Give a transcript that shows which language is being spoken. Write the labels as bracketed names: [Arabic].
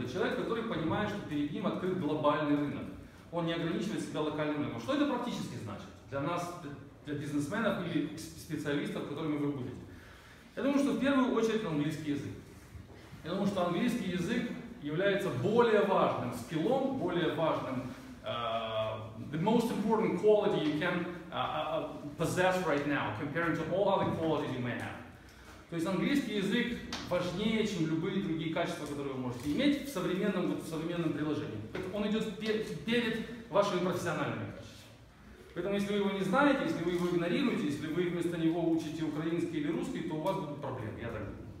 [Russian] Это человек, который понимает, что перед ним открыт глобальный рынок. Он не ограничивает себя локальным рынком. Что это практически значит для нас, для бизнесменов или специалистов, которыми вы будете? Я думаю, что в первую очередь английский язык. Я думаю, что английский язык является более важным скиллом, более важным... [English] The most important quality you can possess right now, compared to all other qualities you may have. [Russian] То есть английский язык важнее, чем любые другие качества, которые вы можете иметь в современном приложении. Он идет перед вашими профессиональными качествами. Поэтому если вы его не знаете, если вы его игнорируете, если вы вместо него учите украинский или русский, то у вас будут проблемы, я так думаю.